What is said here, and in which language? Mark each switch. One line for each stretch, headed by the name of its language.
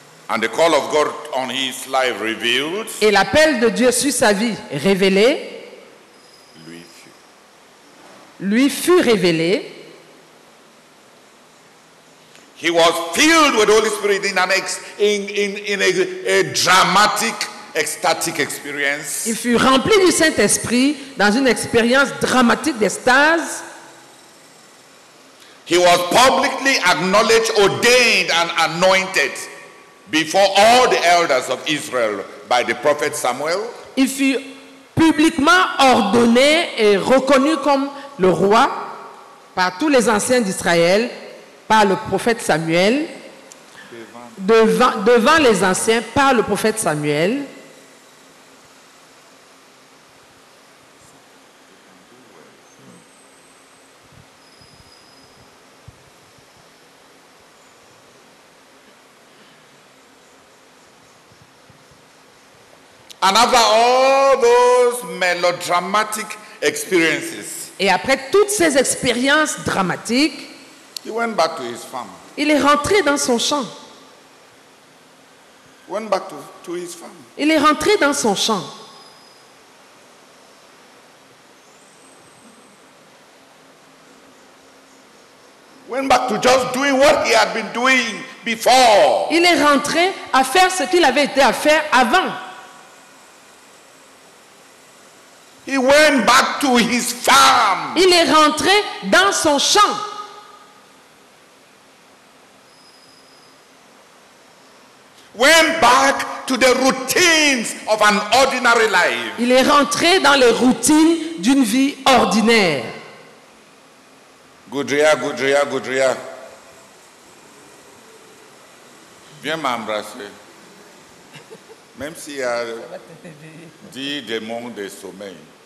English: And the call of God on his life revealed.
French: Et l'appel de Dieu sur sa vie révélé. Lui fut révélé.
English: He was filled with the Holy Spirit in a dramatic, ecstatic experience.
French: Il fut rempli du Saint-Esprit dans une expérience dramatique d'extase.
English: He was publicly acknowledged, ordained, and anointed before all the elders of Israel by the prophet Samuel.
French: Il fut publiquement ordonné et reconnu comme le roi par tous les anciens d'Israël. Par le prophète Samuel, devant les anciens, par le prophète Samuel.
English: And after all those melodramatic experiences.
French: Et après toutes ces expériences dramatiques.
English: He went back to his farm.
French: Il est rentré dans son champ.
English: Went back to his farm.
French: Il est rentré dans son champ.
English: went back to just doing what he had been doing before.
French: Il est rentré à faire ce qu'il avait été à faire avant.
English: He went back to his farm.
French: Il est rentré dans son champ.
English: Went back to the routines of an ordinary life.
French: Il est rentré dans les routines d'une vie ordinaire. Goudria, Goudria, Goudria. Viens m'embrasser. Même s'il y a dix démons de sommeil.